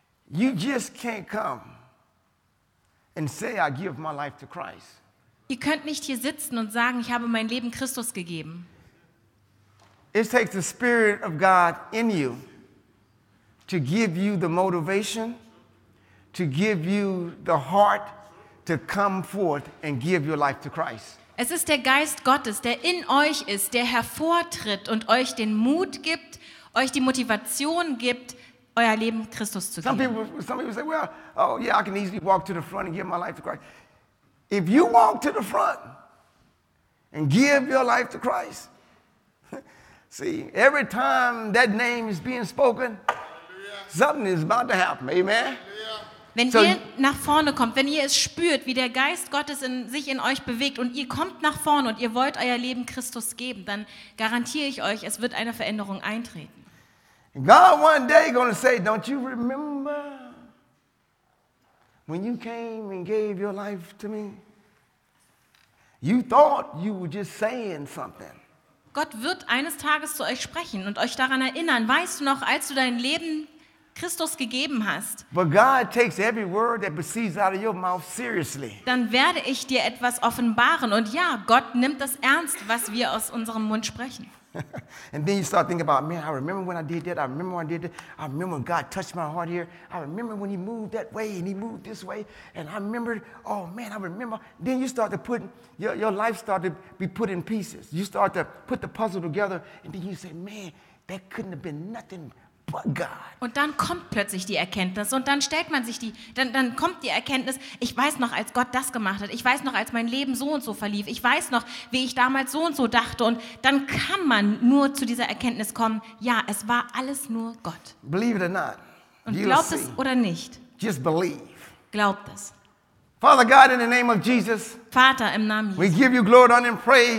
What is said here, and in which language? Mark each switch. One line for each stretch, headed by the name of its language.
English: You just can't come and say I give my life to Christ.
German: Ihr könnt nicht hier sitzen und sagen, ich habe mein Leben Christus gegeben.
English: It takes the Spirit of God in you to give you the motivation, to give you the heart to come forth and give your life to Christ.
German: Es ist der Geist Gottes, der in euch ist, der hervortritt und euch den Mut gibt, euch die Motivation gibt, euer Leben Christus zu geben.
English: Some people say, well, oh yeah, I can easily walk to the front and give my life to Christ. If you walk to the front and give your life to Christ, see, every time that name is being spoken, something is about to happen. Amen.
German: Wenn ihr nach vorne kommt, wenn ihr es spürt, wie der Geist Gottes sich in euch bewegt und ihr kommt nach vorne und ihr wollt euer Leben Christus geben, dann garantiere ich euch, es wird eine Veränderung eintreten.
English: God one day gonna say, don't you remember when you came and gave your life to me? You thought you were just saying something.
German: Gott wird eines Tages zu euch sprechen und euch daran erinnern. Weißt du noch, als du dein Leben Christus gegeben hast.
English: But God takes every word that proceeds out of your mouth seriously.
German: Dann werde ich dir etwas offenbaren und ja, Gott nimmt das ernst, was wir aus unserem Mund sprechen.
English: And then you start thinking about, man, I remember when I did that. I remember when I did that. I remember when God touched my heart here. I remember when he moved that way and he moved this way. And I remember, oh man, I remember. Then you start to put, your life start to be put in pieces. You start to put the puzzle together and then you say, man, that couldn't have been nothing.
German: Und dann kommt plötzlich die Erkenntnis und dann stellt man sich dann kommt die Erkenntnis, ich weiß noch, als Gott das gemacht hat, ich weiß noch, als mein Leben so und so verlief, ich weiß noch, wie ich damals so und so dachte und dann kann man nur zu dieser Erkenntnis kommen, ja, es war alles nur Gott.
English: Believe it or not.
German: Und glaubt es oder nicht.
English: Just believe.
German: Glaubt es.
English: Father God, in the name of Jesus,
German: Vater, im Namen Jesu,
English: we give you glory, honor and praise.